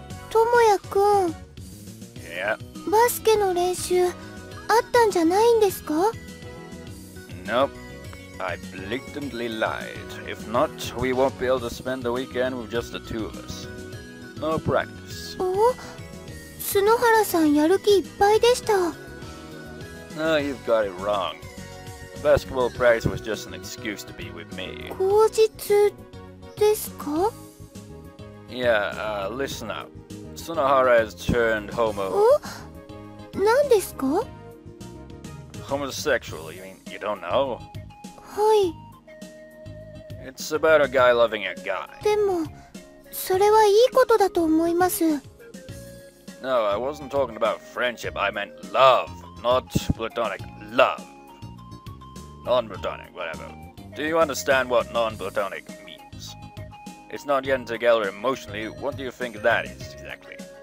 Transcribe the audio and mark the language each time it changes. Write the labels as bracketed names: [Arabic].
[Japanese] トモヤくん、バスケの練習あったんじゃないんですか? [English] Nope. I blatantly lied. If not, we won't be able to spend the weekend with just the two of us. No practice. お? [Japanese] 角原さんやる気いっぱいでした。 [English] No, you've got it wrong. The basketball practice was just an excuse to be with me. [Japanese] 口実ですか? [English] Yeah, listen up. Sunohara has turned homo. [Japanese] なんですか? [English] Homosexual, you mean you don't know? [Japanese] はい。 [English] It's about a guy loving a guy. [Japanese] でも、それはいいことだと思います。 [English] No, I wasn't talking about friendship. I meant love, not platonic love. Non-platonic, whatever. Do you understand what non-platonic means? It's not getting together emotionally. What do you think that is, exactly?